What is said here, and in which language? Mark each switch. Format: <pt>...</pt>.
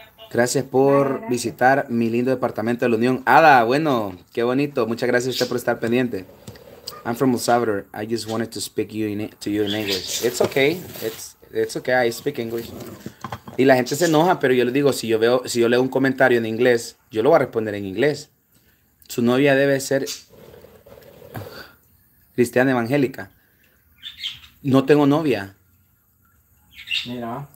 <es>Gracias por visitar mi lindo departamento de la Unión. Ada, bueno, qué bonito. Muchas gracias a usted por estar pendiente.</es> <en>I'm from El Salvador. I just wanted to speak to you in English. It's okay. It's okay, I speak English.</en> <es>Y la gente se enoja, pero yo le digo, si yo leo un comentario en inglés, yo lo voy a responder en inglés. Su novia debe ser cristiana evangélica. No tengo novia. Mira.</es>